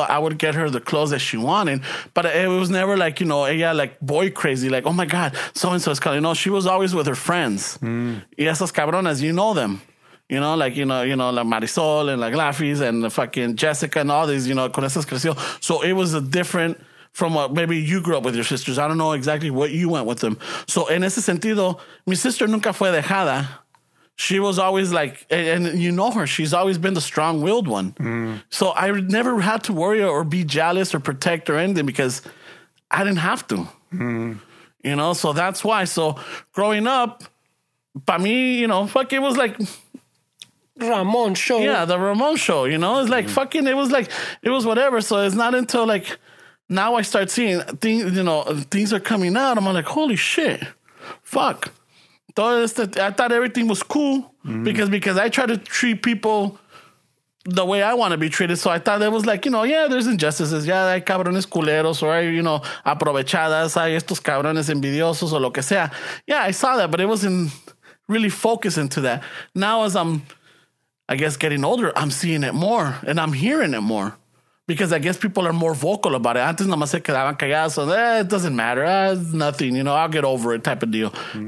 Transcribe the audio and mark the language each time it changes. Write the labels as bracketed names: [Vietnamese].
[English] I would get her the clothes that she wanted, but it was never like, you know, ella like boy crazy, like, oh my God, so-and-so is calling. No, she was always with her friends. Mm. Y esas cabronas, you know them. You know, like, you know, like Marisol and like Laffy's and the fucking Jessica and all these, you know, con esas creció. So it was a different from what maybe you grew up with your sisters. I don't know exactly what you went with them. [Spanish] So in ese sentido, mi sister nunca fue dejada. [English] She was always like, and you know her, she's always been the strong-willed one. Mm. So I never had to worry or be jealous or protect or anything because I didn't have to. Mm. You know, so that's why. So growing up, pa mí, you know, fuck, it was like... Ramon show. Yeah, the Ramon show, you know, it's like mm-hmm. fucking, it was like, it was whatever. So it's not until like now I start seeing things, you know, things are coming out. I'm like, holy shit, fuck. I thought everything was cool mm-hmm. because I try to treat people the way I want to be treated. So I thought it was like, you know, yeah, there's injustices. [Spanish] Yeah, hay cabrones culeros or, you know, aprovechadas. Hay estos cabrones envidiosos o lo que sea. [English] Yeah, I saw that, but it wasn't really focusing to that. Now as I'm, I guess getting older, I'm seeing it more and I'm hearing it more because I guess people are more vocal about it. Antes nomás se quedaban callados, so it doesn't matter. It's nothing, you know, I'll get over it type of deal. Mm-hmm.